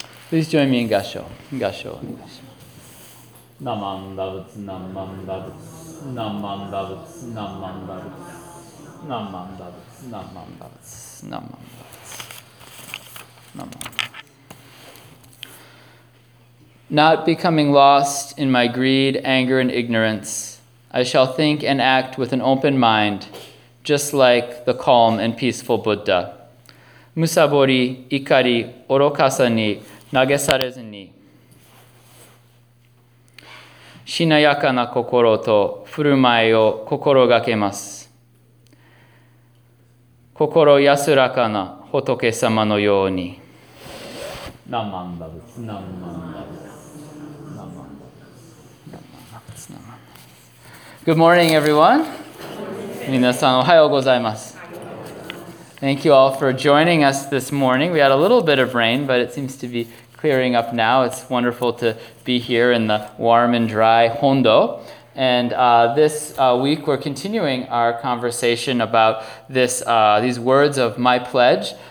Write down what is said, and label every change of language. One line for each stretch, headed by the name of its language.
Japanese: 弟子兄姊妹合掌、合掌をお願いします。ナマンダブツ、ナマンダブツ、ナマンダブツ、ナマンダブツ、ナマンダブツ、ナマンダブツ、ナマンダブツ、ナマンダブツ。
English: Not becoming lost in my greed, anger, and ignorance, I shall think and act with an open mind, just like the calm and peaceful Buddha.
Japanese: むさぼり、怒り、愚かさに投げされずに、しなやかな心と振る舞いを心がけます。心安らかな仏様のように。ナマンダブツ、ナマンダブツ、ナマンダブツ、ナマンダブツ。
English: Good morning, everyone.
Japanese: 皆さん、おはようございます。
English: Thank you all for joining us this morning. We had a little bit of rain, but it seems to be clearing up now. It's wonderful to be here in the warm and dry Hondo. And this week, we're continuing our conversation about these words of my pledge.